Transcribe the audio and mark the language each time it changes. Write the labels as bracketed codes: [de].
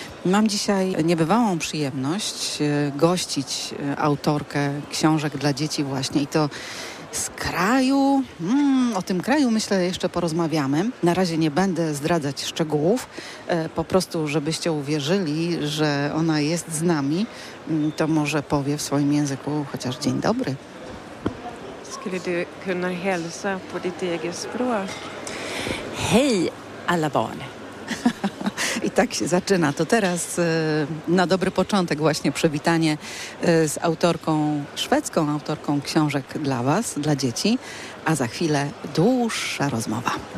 [pl] Mam dzisiaj niebywałą przyjemność gościć autorkę książek dla dzieci właśnie i to z kraju, o tym kraju myślę jeszcze porozmawiamy. Na razie nie będę zdradzać szczegółów, po prostu żebyście uwierzyli, że ona jest z nami, to może powie w swoim języku chociaż dzień dobry. [sv] Skulle du kunna hälsa på ditt eget språk? Hej, alla barn. [pl] I tak się zaczyna. To teraz na dobry początek właśnie przywitanie z autorką szwedzką, autorką książek dla Was, dla dzieci, a za chwilę dłuższa rozmowa.